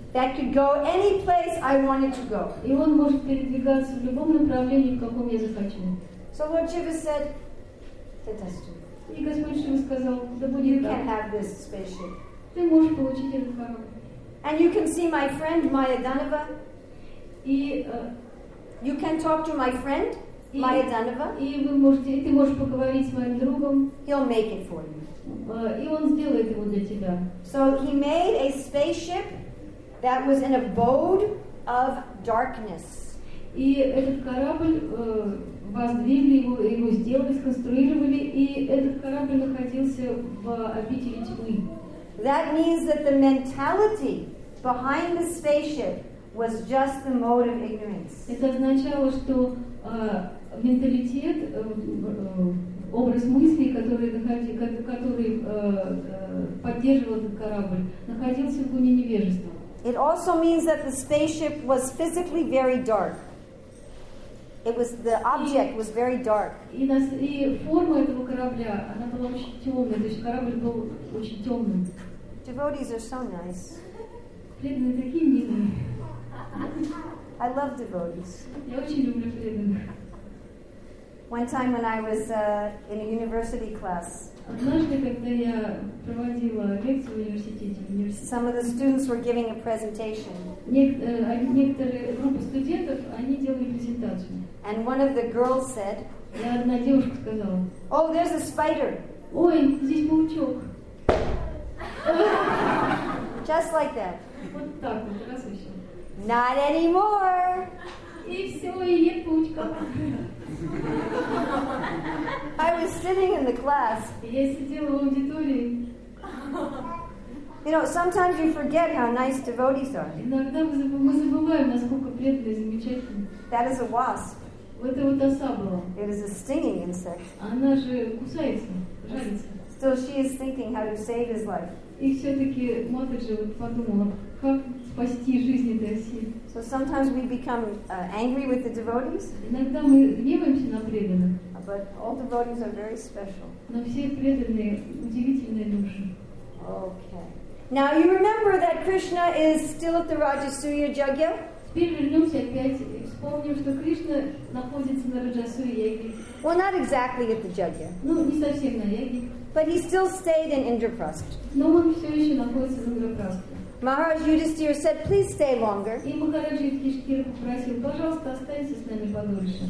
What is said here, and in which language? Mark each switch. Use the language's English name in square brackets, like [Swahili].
[English] That could go any place I wanted to go. [Russian] И он может передвигаться в любом направлении, в каком я захочу. [English] So Lord Shiva said, "That is true." [Russian] И Господь Шива сказал, да будет так. [English] You can have this spaceship. [Russian] Ты можешь получить этот корабль. [English] And you can see my friend Maya Dhanava. [Russian] И [English] you can talk to my friend Maya Dhanava. [Russian] Ты можешь поговорить с моим другом. [English] He'll make it for you. [Russian] И он сделает его для тебя. [English] So he made a spaceship that was an abode of darkness. [Russian] И этот корабль воздвигли его сделали, сконструировали, и этот корабль находился в обители тьмы. [English] That means that the mentality behind the spaceship was just the mode of ignorance. [Russian] Это означало, что менталитет, образ мыслей, который поддерживал этот корабль, находился в гуне невежества. [English] It also means that the spaceship was physically very dark. It was the object was very dark. [Russian] И форма этого корабля, она была очень темная, то есть корабль был очень темным. [English] Devotees are so nice. [Russian] Преданные такие милые. [English] I love devotees. [Russian] Я очень люблю преданных. [English] One time when I was in a university class. [Russian] Однажды, когда я проводила лекцию в университете, [English] some of the students were giving a presentation. [Russian] Некоторые группы студентов, они делали презентацию. [English] And one of the girls said, [Russian] и одна девушка сказала, [English] "Oh, there's a spider." [Russian] Ой, здесь паучок. [English] Just like that. [Russian] Вот так вот, раз еще. [English] Not anymore. [Russian] И все, и нет паучка. [English] I was sitting in the class. [Russian] Я сидела в аудитории. [English] You know, sometimes you forget how nice devotees are. [Russian] Иногда мы забываем, насколько преданные замечательные. [English] That is a wasp. [Russian] Вот это вот оса была. [English] It is a stinging insect. [Russian] Она же кусается, жарится. [English] Still, she is thinking how to save his life. [Russian] И все-таки Матаджи вот подумала, как спасти жизнь этой оси. [English] So sometimes we become angry with the devotees. [Russian] Иногда мы гневаемся на преданных. [English] But all devotees are very special. [Russian] Но все преданные удивительные души. [English] Okay. Now you remember that Krishna is still at the Rajasuya Yagya? [Russian] Теперь вернемся опять и вспомним, что Кришна находится на Раджасуя Яге. [English] Well, not exactly at the Yagya. [Russian] Ну, не совсем на Яге. [English] But he still stayed in Indraprastha. [Russian] Но он все еще находится в Индрапрастхе. [English] Maharaj Yudhisthira said, "Please stay longer." [Russian] И Махарадж Юдхиштхира попросил, пожалуйста, останься с нами подольше.